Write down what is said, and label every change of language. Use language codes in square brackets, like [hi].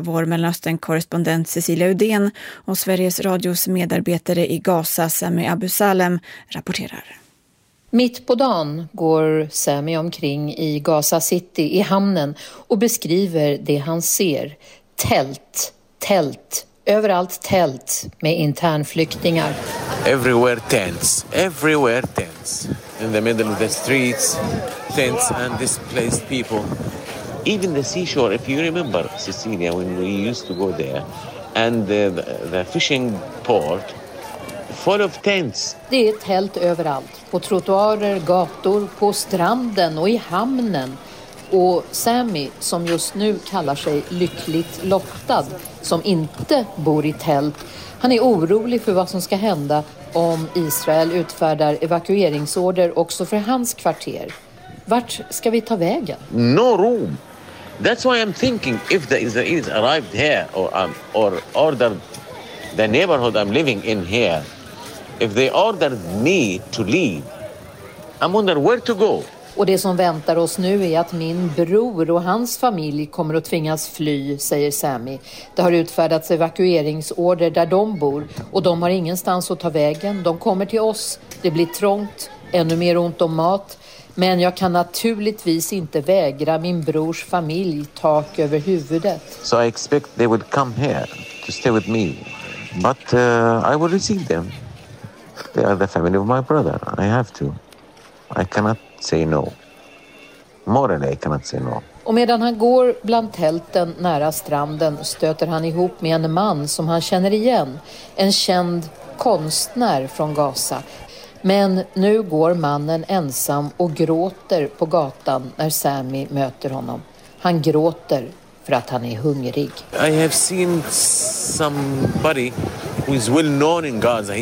[sv] Vår Mellanöstern-korrespondent Cecilia Udén och Sveriges Radios medarbetare i Gaza, Sami Abu Salem, rapporterar. Mitt på dagen går Sami omkring i Gaza City i hamnen och beskriver det han ser. Tält, tält, överallt tält med internflyktingar. [en] Everywhere tents, everywhere tents. In the middle of the streets, tents and displaced people. Even the seashore, if you remember, Cecilia, when we used to go there, and the fishing port, full of tents. [sv] Det är tält överallt, på trottoarer, gator, på stranden och i hamnen. Och Sami, som just nu kallar sig lyckligt lottad, som inte bor i tält, han är orolig för vad som ska hända om Israel utfärdar evakueringsorder också för hans kvarter. Vart ska vi ta vägen? [en] No room. That's why I'm thinking if the Israelis arrived here or ordered the neighborhood I'm living in here, if they ordered me to leave, I'm wondering where to go. [sv] Och det som väntar oss nu är att min bror och hans familj kommer att tvingas fly, säger Sami. Det har utfärdats evakueringsorder där de bor och de har ingenstans att ta vägen. De kommer till oss, det blir trångt, ännu mer ont om mat. Men jag kan naturligtvis inte vägra min brors familj tak över huvudet. [en] So I expect they would come here to stay with me. But I will receive them. They are the family of my brother. I have to. I cannot say no. More than I cannot say no. [sv] Och medan han går bland tälten nära stranden stöter han ihop med en man som han känner igen. En känd konstnär från Gaza. Men nu går mannen ensam och gråter på gatan när Sami möter honom. Han gråter för att han är hungrig. [en] I have seen somebody who is well known in Gaza.